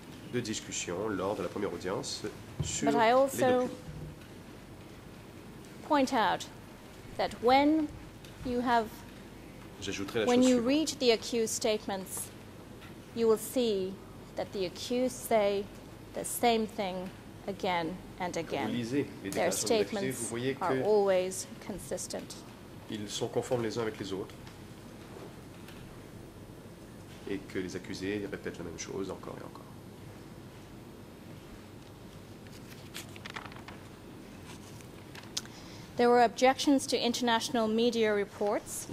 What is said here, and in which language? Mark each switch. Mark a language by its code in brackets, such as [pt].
[fr] De discussion lors de la première audience sur [en] but I also point out that when you have, when you read the accused statements, you will see that the accused say the same thing again and again. Their statements are always consistent. [fr] Ils sont conformes les uns avec les autres, et que les accusés répètent la même chose encore et encore. [en] There were objections to international media reports.